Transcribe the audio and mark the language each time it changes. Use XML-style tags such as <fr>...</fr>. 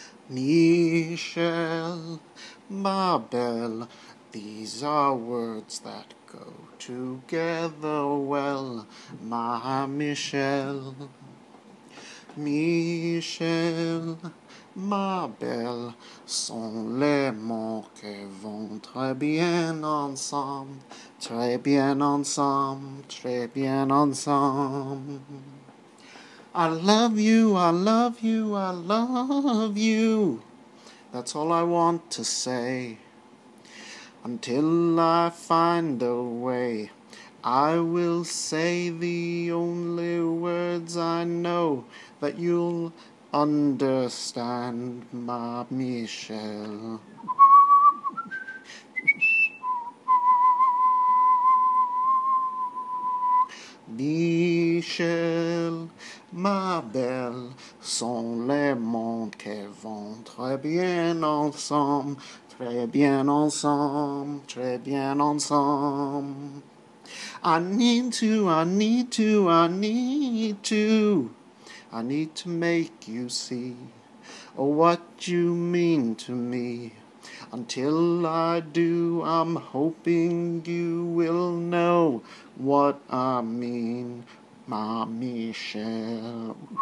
<en>Michel,</en> <fr>ma belle,</fr> <en>these are words that go together well, ma Michel.</en> <fr>Michel, ma belle, sont les mots qui vont très bien ensemble, très bien ensemble.</fr> <en>I love you, I love you, I love you. That's all I want to say. Until I find a way, I will say the only words I know that you'll understand, ma Michelle.</en> <fr>Michelle, ma belle, sont les mots qui vont très bien ensemble, très bien ensemble.</fr> <en>I need to make you see what you mean to me. Until I do, I'm hoping you will know what I mean, ma Michelle.</en>